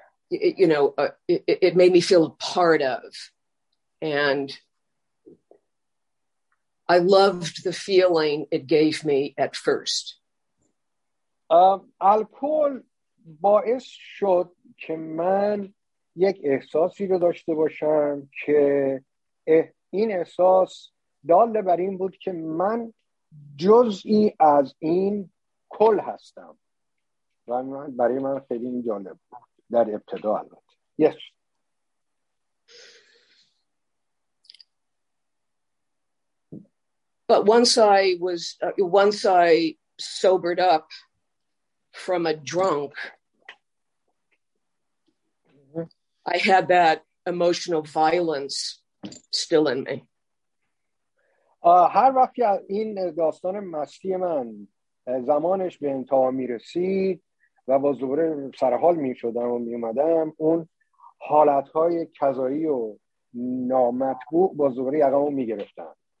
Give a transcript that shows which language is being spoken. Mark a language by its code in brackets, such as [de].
[en] It made me feel a part of, and I loved the feeling it gave me at first. [fa] Alcohol باعث شد که من یک احساسی رو داشته باشم که این احساس دال بر این بود که من جزئی از این کل هستم و من برای من خیلی این جالب بود در ابتدا البته. [en] Yes. But once I sobered up from a drunk, I had that emotional violence still in me. [fa] هر وقت این داستان مستی من زمانش به انتها میرسید و با زوره سرحال میشدم و میومدم، اون حالتهای کذایی و نامطبوع با زوره یقمون میگرفتن.